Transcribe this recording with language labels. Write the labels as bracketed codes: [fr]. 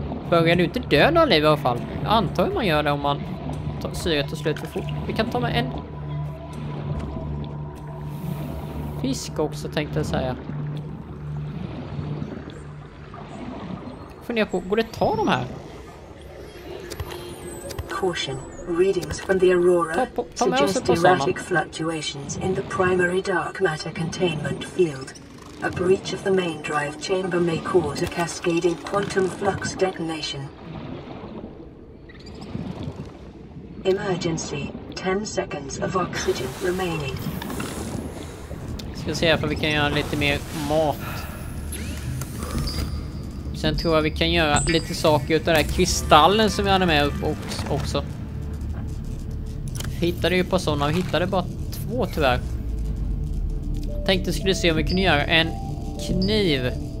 [sv] Börjar du inte dö då i alla fall? Jag antar man gör det om man tar syret och slutar fort. Vi kan ta med en fisk också tänkte jag säga. Fundera på, går det ta de här? [en] Caution. Readings from the aurora suggest erratic fluctuations in the primary dark matter containment field. A breach of the main drive chamber may cause a cascading quantum flux detonation. Emergency. 10 seconds of oxygen remaining. [sv] Ska se om vi kan göra lite mer mat. Sen tror jag vi kan göra lite saker utav den här kristallen som vi hade med upp också. Hittade ju på sådana, vi hittade bara två tyvärr. Tänkte skulle se om vi kunde göra en kniv.